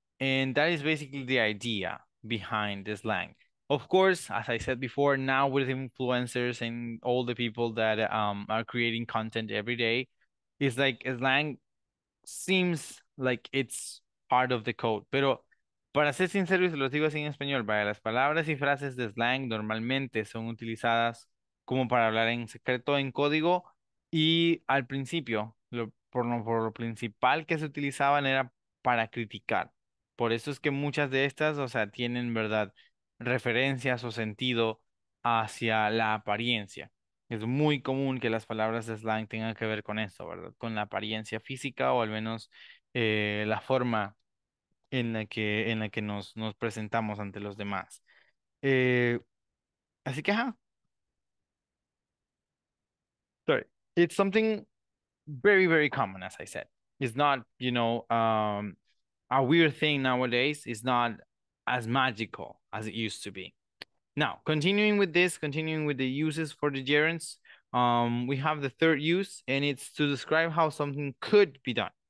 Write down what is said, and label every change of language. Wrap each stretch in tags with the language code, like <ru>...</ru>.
<en>And that is basically the idea behind the slang. Of course, as I said before, now with influencers and all the people that are creating content every day, it's like a slang seems like it's part of the code.</en> <es>Pero para ser sincero, lo digo así en español, para las palabras y frases de slang normalmente son utilizadas como para hablar en secreto, en código, y al principio, por lo principal que se utilizaban era para criticar. Por eso es que muchas de estas, o sea, tienen, ¿verdad?, referencias o sentido hacia la apariencia. Es muy común que las palabras de slang tengan que ver con eso, ¿verdad?, con la apariencia física, o al menos la forma en la que nos presentamos ante los demás. Así que, ajá.</es> <en>Sorry. It's something very, very common, as I said. It's not, you know, a weird thing nowadays. It's not as magical as it used to be. Now, continuing with this, continuing with the uses for the gerunds, we have the third use, and it's to describe how something could be done.</en>